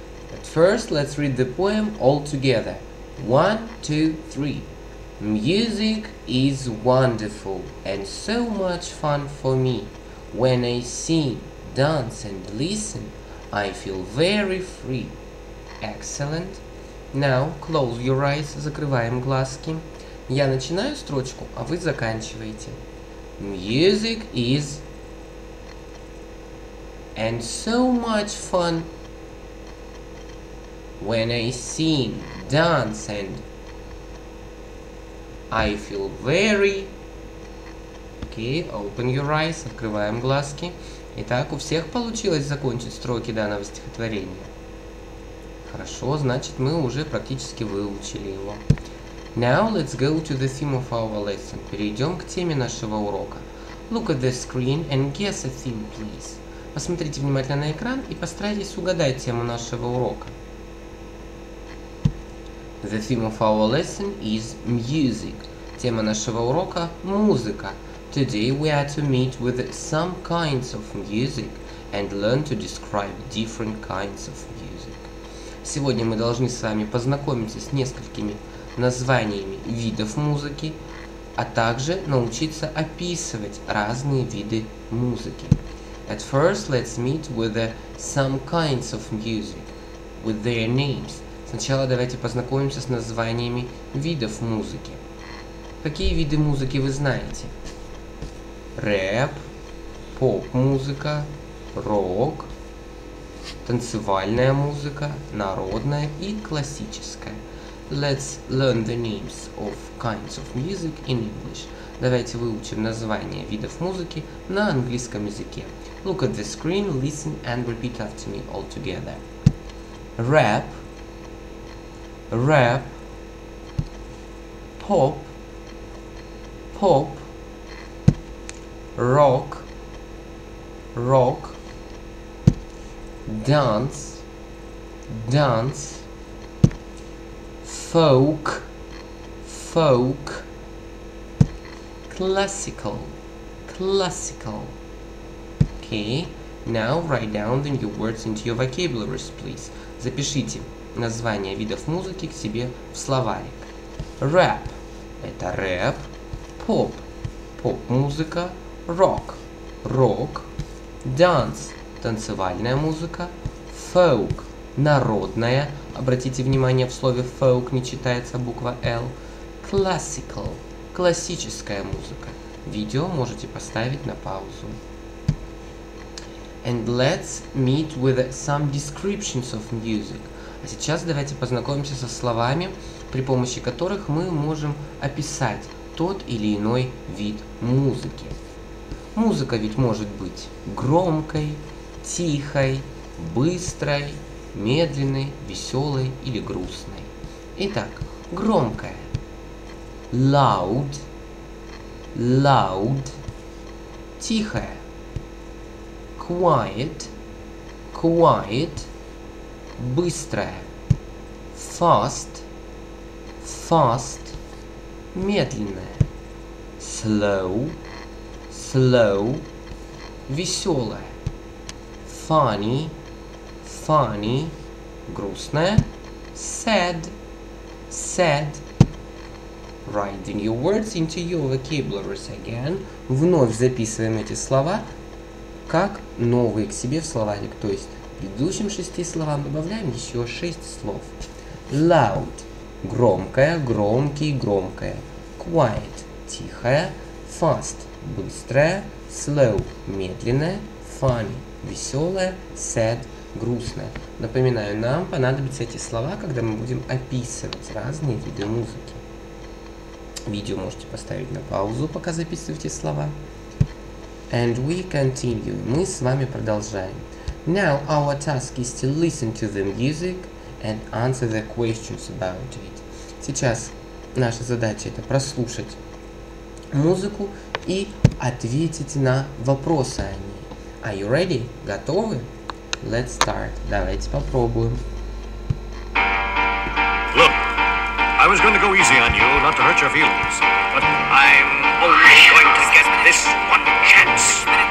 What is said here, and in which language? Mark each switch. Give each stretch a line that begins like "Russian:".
English: But first, let's read the poem all together. 1, 2, 3. Music is wonderful and so much fun for me. When I sing, dance and listen, I feel very free. Excellent. Now, close your eyes,
Russian: закрываем глазки. Я начинаю строчку, а вы заканчиваете.
English: Music is and so much fun when I sing, dance and I feel very... Okay, open your eyes,
Russian: открываем глазки. Итак, у всех получилось закончить строки данного стихотворения? Хорошо, значит, мы уже практически выучили его.
English: Now let's go to the theme of our lesson.
Russian: Перейдем к теме нашего урока.
English: Look at the screen and guess a theme, please.
Russian: Посмотрите внимательно на экран и постарайтесь угадать тему нашего урока.
English: The theme of our lesson is music.
Russian: Тема нашего урока – музыка.
English: Today we are to meet with some kinds of music and learn to describe different kinds of music.
Russian: Сегодня мы должны с вами познакомиться с несколькими названиями видов музыки, а также научиться описывать разные виды музыки.
English: At first, let's meet with some kinds of music, with their names.
Russian: Сначала давайте познакомимся с названиями видов музыки. Какие виды музыки вы знаете? Рэп, поп-музыка, рок, танцевальная музыка, народная и классическая.
English: Let's learn the names of kinds of music in English.
Russian: Давайте выучим названия видов музыки на английском языке.
English: Look at the screen, listen and repeat after me all together. Rap, rap, pop, pop, rock, rock, dance, dance, folk, folk, classical, classical. Okay, now write down the new words into your vocabularies, please.
Russian: Запишите названия видов музыки к себе в словарик. Rap – это рэп. Pop – поп-музыка. Rock – рок. Dance – танцевальная музыка. Folk – народная. Обратите внимание, в слове folk не читается буква L. Classical – классическая музыка. Видео можете поставить на паузу.
English: And let's meet with some descriptions of music.
Russian: А сейчас давайте познакомимся со словами, при помощи которых мы можем описать тот или иной вид музыки. Музыка ведь может быть громкой, тихой, быстрой, медленной, веселой или грустной. Итак, громкая. Loud, loud. Тихая.
English: Quiet, quiet, быстрая. Fast, fast, медленная. Slow, slow, веселая. Funny, funny, грустная. Sad, sad. Write the new words into your vocabularies again.
Russian: Вновь записываем эти слова как новые к себе в словарик, то есть предыдущим шести словам добавляем еще шесть слов. Loud – громкое, громкий, громкое. Quiet – тихое. Fast – быстрое. Slow – медленное. Funny – веселое. Sad – грустное. Напоминаю, нам понадобятся эти слова, когда мы будем описывать разные виды музыки. Видео можете поставить на паузу, пока записываете слова.
English: And we continue.
Russian: Мы с вами продолжаем.
English: Now our task is to listen to the music and answer the questions about it.
Russian: Сейчас наша задача это прослушать музыку и ответить на вопросы о ней.
English: Are you ready?
Russian: Готовы?
English: Let's start.
Russian: Давайте попробуем.
English: Look, I was going to go easy on you, not to hurt your feelings, but I'm only going to get this one chance.